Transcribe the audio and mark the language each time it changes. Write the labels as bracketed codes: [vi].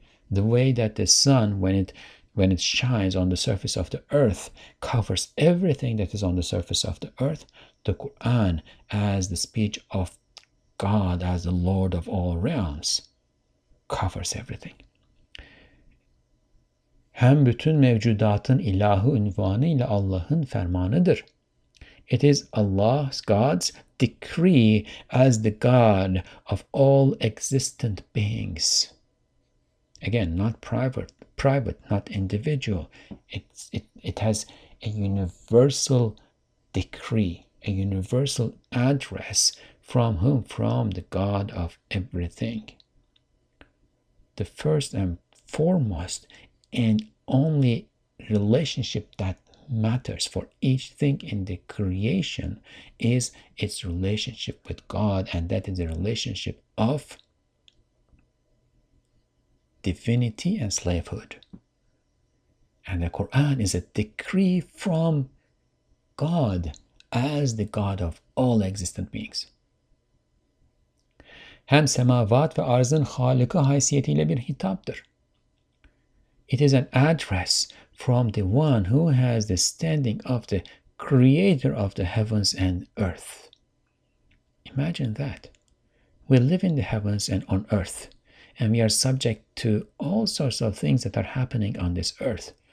[en] The way that the sun, when it shines on the surface of the earth, covers everything that is on the surface of the earth, the Quran, as the speech of God, as the Lord of all realms, covers everything. [tr] Hem bütün mevcudatın ilahı unvanıyla Allah'ın fermanıdır. [en] It is Allah's, God's decree as the God of all existent beings. Again, not private, not individual. It has a universal decree, a universal address. From whom? From the God of everything. The first and foremost and only relationship that matters for each thing in the creation is its relationship with God, and that is the relationship of divinity and slavehood. And the Quran is a decree from God as the God of all existent beings. [tr] Hem semavat ve arzın halika haysiyetiyle bir hitaptır. [en] It is an address from the one who has the standing of the creator of the heavens and earth. Imagine that. We live in the heavens and on earth, and we are subject to all sorts of things that are happening on this earth.